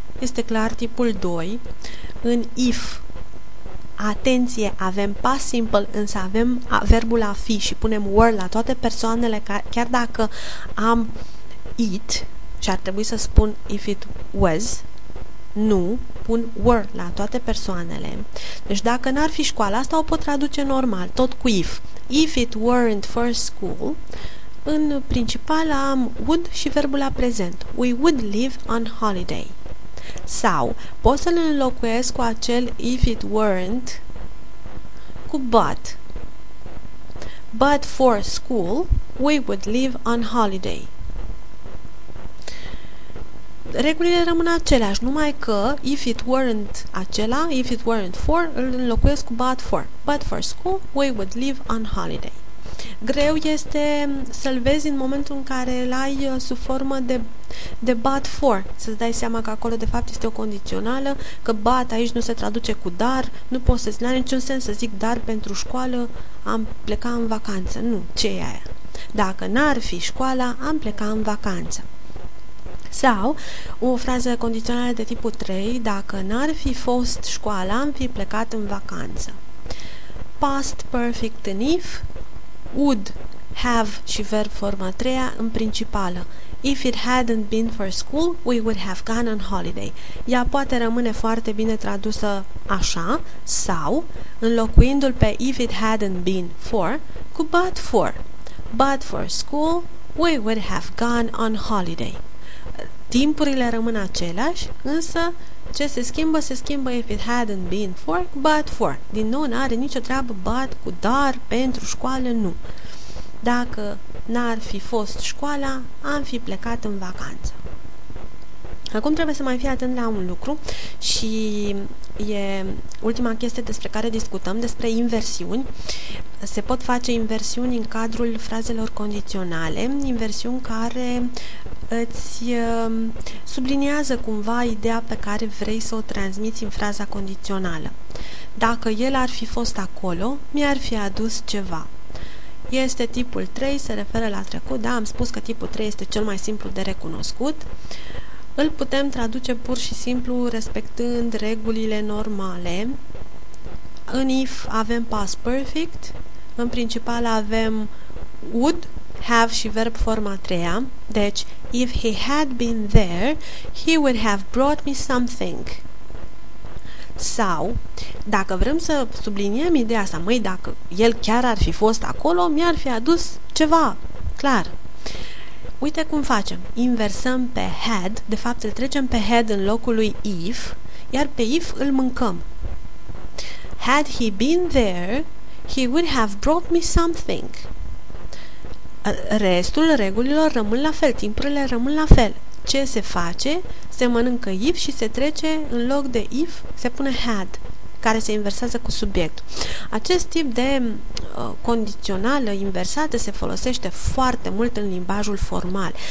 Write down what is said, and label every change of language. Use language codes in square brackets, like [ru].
[ro] Este clar tipul 2. În if, atenție, avem past simple, însă avem verbul a fi și punem were la toate persoanele, chiar dacă am it și ar trebui să spun [en] if it was, [ro] nu, pun were la toate persoanele. Deci dacă n-ar fi școala, asta o pot traduce normal, tot cu if. [en] if it weren't for school, [ro] în principal am would și verbul la prezent. [en] We would live on holiday. [ro] Sau pot să-l înlocuiesc cu acel [en] if it weren't [ro] cu [en] but. But for school, we would live on holiday. [ro] Regulile rămân aceleași, numai că [en] if it weren't [ro] acela, [en] if it weren't for, [ro] îl înlocuiesc cu [en] but for. But for school, we would live on holiday. [ro] Greu este să-l vezi în momentul în care îl ai sub formă de but for. Să-ți dai seama că acolo, de fapt, este o condițională, că but aici nu se traduce cu dar, nu poți să-ți n-are niciun sens să zic dar pentru școală, am plecat în vacanță. Nu, ce e aia? Dacă n-ar fi școala, am plecat în vacanță. Sau, o frază condițională de tipul 3, dacă n-ar fi fost școala, am fi plecat în vacanță. Past perfect în if, would, have și verb forma 3 în principală. [en] If it hadn't been for school, we would have gone on holiday. [ro] Ea poate rămâne foarte bine tradusă așa, sau, înlocuindu-l pe [en] if it hadn't been for, [ro] cu [en] but for. But for school, we would have gone on holiday. [ro] Timpurile rămân aceleași, însă ce se schimbă? Se schimbă [en] if it hadn't been for, but for. [ro] Din nou, n-are nicio treabă but cu dar pentru școală, nu. Dacă n-ar fi fost școala, am fi plecat în vacanță. Acum trebuie să mai fii atent la un lucru și e ultima chestie despre care discutăm, despre inversiuni. Se pot face inversiuni în cadrul frazelor condiționale, inversiuni care îți subliniază cumva ideea pe care vrei să o transmiți în fraza condițională. Dacă el ar fi fost acolo, mi-ar fi adus ceva. Este tipul 3, se referă la trecut, da, am spus că tipul 3 este cel mai simplu de recunoscut. Îl putem traduce pur și simplu respectând regulile normale. În if avem past perfect, în principal avem would, have și verb forma treia. Deci, [en] if he had been there, he would have brought me something. [ro] Sau, dacă vrem să subliniem ideea asta, măi, dacă el chiar ar fi fost acolo, mi-ar fi adus ceva, clar. Uite cum facem. Inversăm pe had, de fapt îl trecem pe had în locul lui if, iar pe if îl mâncăm. [en] Had he been there, he would have brought me something. [ro] Restul regulilor rămân la fel, timpurile rămân la fel. Ce se face? Se mănâncă if și se trece în loc de if, se pune had, care se inversează cu subiectul. Acest tip de condițională inversată se folosește foarte mult în limbajul formal.